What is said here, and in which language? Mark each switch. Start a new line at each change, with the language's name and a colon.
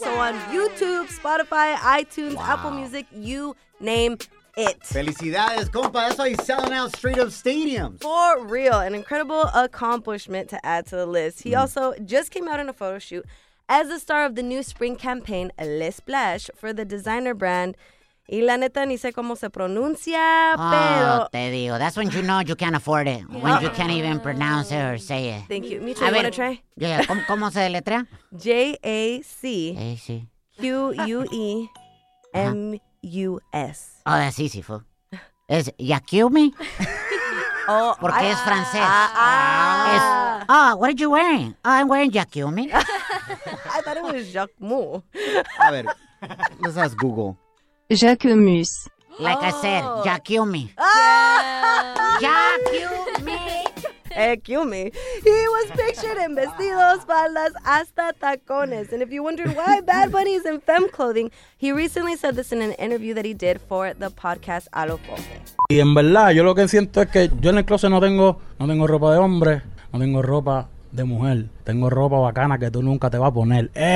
English: Wow. So on YouTube, Spotify, iTunes, Apple Music, you name it.
Spanish: Felicidades, compa.
English: That's why he's selling out straight up stadiums. For real. An incredible accomplishment to add to the list. He also just came out in a photo shoot as the star of the new spring campaign, Le Splash, for the designer brand.
Spanish: Y la neta, ni sé cómo se pronuncia, pero... Oh, te digo.
English: That's when you know you can't afford it. When you can't even pronounce it or say it. Thank you. Micho, you want to try? Yeah.
Spanish: ¿Cómo se deletrea? J-A-C-Q-U-E-M-U-S.
English: Oh, that's easy, fool. Is Yakumi? Oh,
Spanish: porque es francés. Ah,
English: what are you wearing? I'm wearing Yakumi. I thought it was Jacquemus.
Spanish: A ver,
English: Let's ask Google. Jacquemus. Like I said, y'all kill me. Y'all kill me. He was pictured in
Spanish: vestidos, faldas, hasta tacones.
English: And if you wondered why Bad Bunny is in femme clothing, he recently said this in an interview that he did for the podcast A Lo Fonte.
Spanish: Y en verdad, yo lo que siento es que yo en el closet no tengo ropa de hombre, no tengo ropa de mujer. Tengo ropa bacana que tú nunca te vas a poner.